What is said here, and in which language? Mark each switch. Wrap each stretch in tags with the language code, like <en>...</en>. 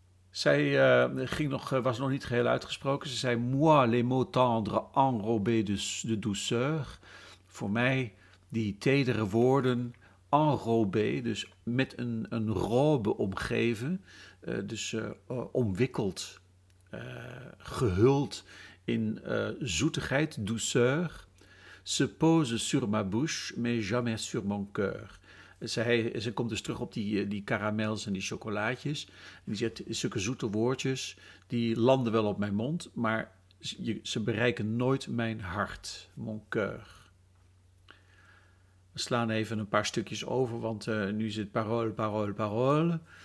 <nl>Zij was nog niet geheel uitgesproken, ze zei,</nl> <fr>moi les mots tendres enrobés de douceur,</fr> <nl>voor mij die tedere woorden, enrobé, dus met een robe omgeven, omwikkeld, gehuld in zoetigheid,</nl> <fr>douceur, se pose sur ma bouche, mais jamais sur mon cœur.</fr> <nl>Ze komt dus terug op die karamels en die chocolaatjes. En die zegt, zulke zoete woordjes, die landen wel op mijn mond, maar ze bereiken nooit mijn hart,</nl> <fr>mon cœur.</fr> <nl>We slaan even een paar stukjes over, want nu is het</nl> <fr>parole, parole, parole.</fr>